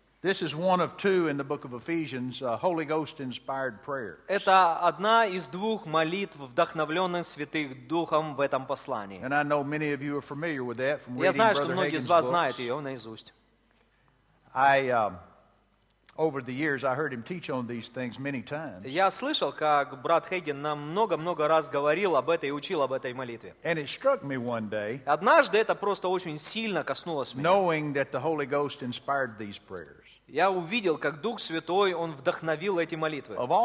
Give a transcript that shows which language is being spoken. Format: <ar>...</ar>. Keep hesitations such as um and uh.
<en>This is one of two in the book of Ephesians, uh, Holy Ghost inspired prayer.</en> <ru>Это одна из двух молитв, вдохновленных Святым Духом в этом послании.</ru> <en>And I know many of you are familiar with that from reading</en> <ru>Я знаю, что многие из вас знают ее наизусть.</ru> <en>I, uh, Over the years, I heard him teach on these things many times.</en> <ru>Я слышал, как брат Хейген много-много раз говорил об этой и учил об этой молитве.</ru> <en>And it struck me one day.</en> <ru>Однажды это просто очень сильно коснулось меня.</ru> <en>Knowing that the Holy Ghost inspired these prayers.</en> <ru>Я увидел, как Дух Святой он вдохновил эти молитвы.</ru>